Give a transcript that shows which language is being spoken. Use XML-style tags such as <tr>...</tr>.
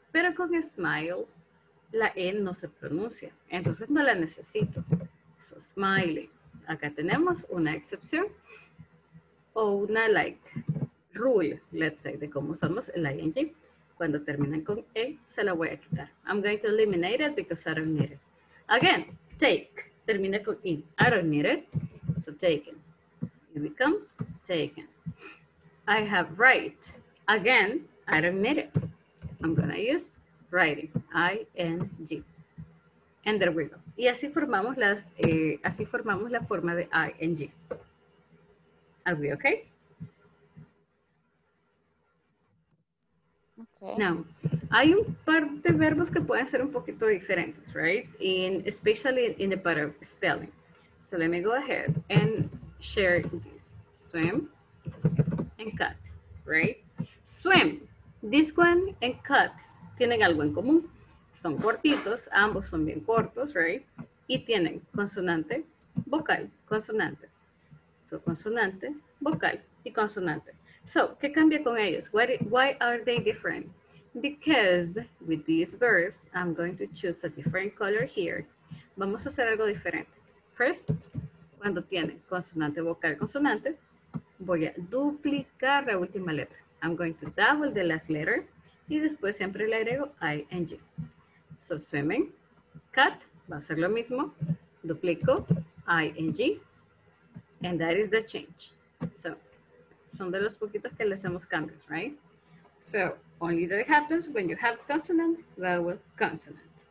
<es>Pero con smile, la E no se pronuncia, entonces no la necesito.</es> <en>So, smiling.</en> <es>Acá tenemos una excepción o una like rule,</es> <en>let's say,</en> <es>de cómo usamos el ing. Cuando terminen con E, se la voy a quitar.</es> <en>I'm going to eliminate it because I don't need it. Again, take.</en> <es>Termina con I.</es> <en>I don't need it. So, taken. It becomes taken. I have write. Again, I don't need it. I'm going to use writing, ing, and there we go.</en> <es>Y así formamos las, así formamos la forma de ing.</es> <en>Are we okay? Okay.</en> <es>Now, hay un par de verbos que pueden ser un poquito diferentes, right?</es> <en>In, especially in the part of spelling. So let me go ahead and share this. Swim and cut, right? Swim, this one, and cut.</en> <es>Tienen algo en común. Son cortitos, ambos son bien cortos, right? Y tienen consonante, vocal, consonante. So, consonante, vocal y consonante. So, ¿qué cambia con ellos?</es> <en>Why are they different? Because with these verbs, I'm going to choose a different color here.</en> <es>Vamos a hacer algo diferente. First, cuando tienen consonante, vocal, consonante, voy a duplicar la última letra.</es> <en>I'm going to double the last letter.</en> <es>Y después siempre le agrego ing.</es> <en>So swimming, cut,</en> <es>va a ser lo mismo. Duplico,</es> <en>ing. And that is the change.</en> <es>So, son de los poquitos que le hacemos cambios, right?</es> <en>So, only that happens when you have consonant, vowel, consonant.</en>